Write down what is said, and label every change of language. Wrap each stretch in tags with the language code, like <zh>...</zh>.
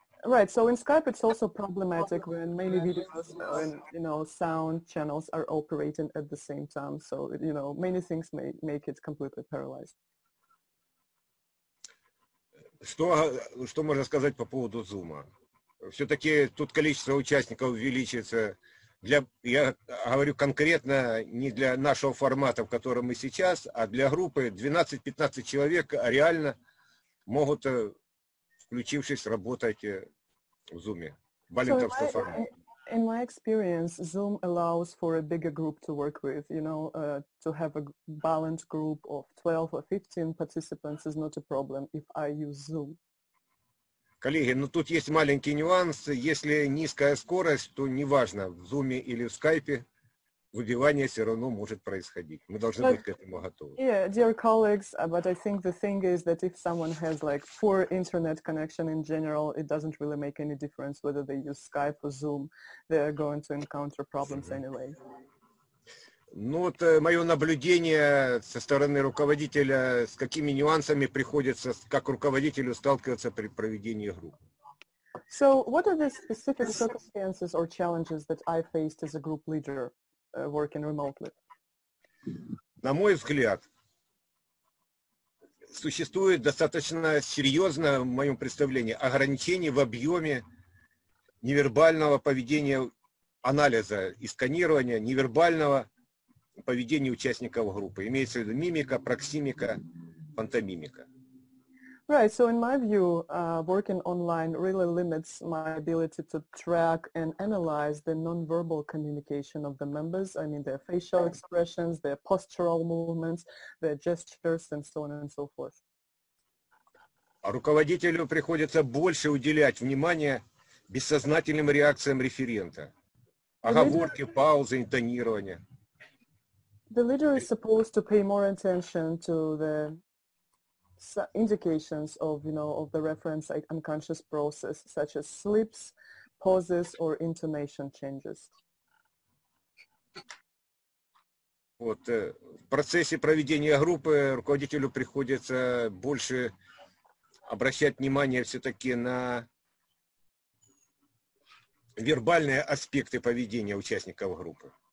<en>Right, so in Skype it's also problematic when many videos and, you know, sound channels are operating at the same time, so, you know, many things may make it completely paralyzed.</en> <ru>Что можно сказать по поводу Zoom? Все-таки тут количество участников увеличится. Я говорю конкретно не для нашего формата, в котором мы сейчас, а для группы 12-15 человек реально могут, включившись, работать в Zoom. Болинтовский формат.</ru> <en>In my experience, Zoom allows for a bigger group to work with, you know, to have a balanced group of 12 or 15 participants is not a problem if I use Zoom.</en> <ru>Коллеги, ну тут есть маленький нюанс. Если низкая скорость, то неважно, в Zoom или в Skype, выбивание все равно может происходить. Мы должны быть к этому готовы.</ru> <en>Yeah, dear colleagues, but I think the thing is that if someone has like poor internet connection in general, it doesn't really make any difference whether they use Skype or Zoom. They are going to encounter problems anyway.</en> <ru>Ну вот мое наблюдение со стороны руководителя, с какими нюансами приходится как руководителю сталкиваться при проведении групп.</ru> <en>So what are the specific circumstances or challenges that I faced as a group leader? Working remotely.</en> <ru>На мой взгляд, существует достаточно серьезное, в моем представлении, ограничение в объеме невербального поведения анализа и сканирования невербального поведения участников группы. Имеется в виду мимика, проксимика, пантомимика.</ru> <en>Right, so in my view, working online really limits my ability to track and analyze the non-verbal communication of the members. I mean, their facial expressions, their postural movements, their gestures, and so on and so forth.</en> <ru>А руководителю приходится больше уделять внимание бессознательным реакциям референта. Оговорки, паузы, интонирование.</ru> <en>The leader is supposed to pay more attention to the indications of, you know, of the reference unconscious process, such as slips, pauses, or intonation changes.</en> <ru>Вот, в процессе проведения группы руководителю приходится больше обращать внимание все-таки на вербальные аспекты поведения участников группы.</ru>